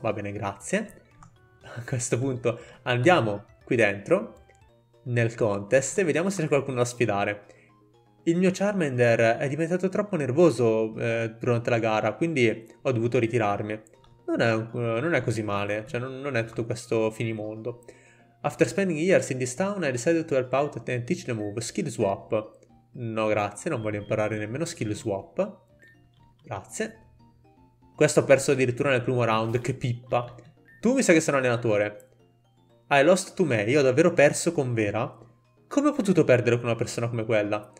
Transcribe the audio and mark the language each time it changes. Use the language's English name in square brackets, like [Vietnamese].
[Italian] Va bene, grazie. A questo punto andiamo qui dentro nel contest e vediamo se c'è qualcuno da sfidare. Il mio Charmander è diventato troppo nervoso durante la gara, quindi ho dovuto ritirarmi. Non è così male, cioè non è tutto questo finimondo. [English] After spending years in this town, I decided to help out and teach the move, skill swap. [Italian] No, grazie, non voglio imparare nemmeno skill swap. Grazie. Questo ho perso addirittura nel primo round, che pippa. Tu mi sa che sei un allenatore. [English] I lost to me, [Italian] io ho davvero perso con Vera? Come ho potuto perdere con una persona come quella?